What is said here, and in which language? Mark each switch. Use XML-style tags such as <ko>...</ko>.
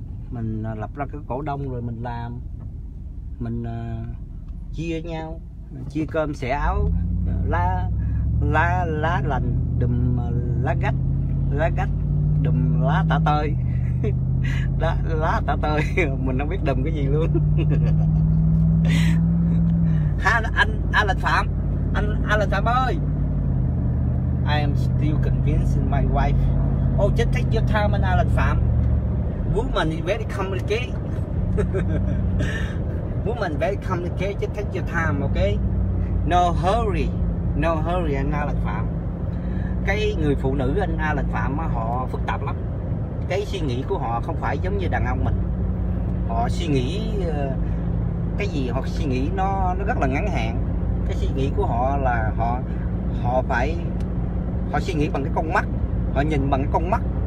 <vi>Mình lập ra cái cổ đông rồi mình làm, mình chia nhau, chia cơm xẻ áo, lá lành đùm lá gách đùm lá tả tơi. Lá tả tơi mình không biết đùm cái gì luôn.</vi> <en>Anh Alan Phạm ơi, I am still convincing my wife. Oh, just take your time, and Alan Phạm. Woman is very complicated. Woman very complicated. Just take your time, okay? No hurry, anh Alan Phạm.</en> <vi>Cái người phụ nữ anh Alan Phạm họ phức tạp lắm. Cái suy nghĩ của họ không phải giống như đàn ông mình. Họ suy nghĩ cái gì họ suy nghĩ nó rất là ngắn hạn. Cái suy nghĩ của họ là họ suy nghĩ bằng cái con mắt, họ nhìn bằng cái con mắt.</vi>